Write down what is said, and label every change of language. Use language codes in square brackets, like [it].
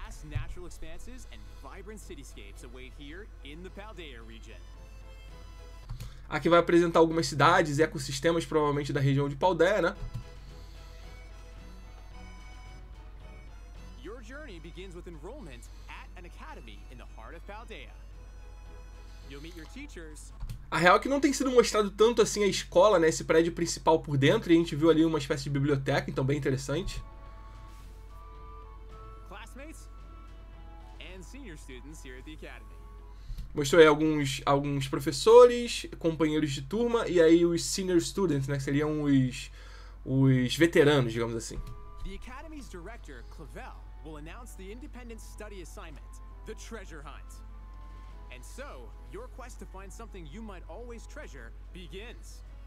[en] Natural expanses and vibrant cityscapes await here in the Paldea region. [pt] Aqui vai apresentar algumas cidades e ecossistemas provavelmente da região de Paldea, né? [en] Your journey begins with enrollment at an academy in the heart of Paldea. You'll meet your teachers. [pt] A real é que não tem sido mostrado tanto assim a escola, né, esse prédio principal por dentro, e a gente viu ali uma espécie de biblioteca, então bem interessante. [en] Classmates and senior students here at the academy. [pt] Mostrou aí alguns professores, companheiros de turma, e aí os senior students, né, que seriam os veteranos, digamos assim. [en] The academy's director, Clavel, will announce the independent study assignment, the treasure hunt. And so, your quest to find something you might always treasure begins.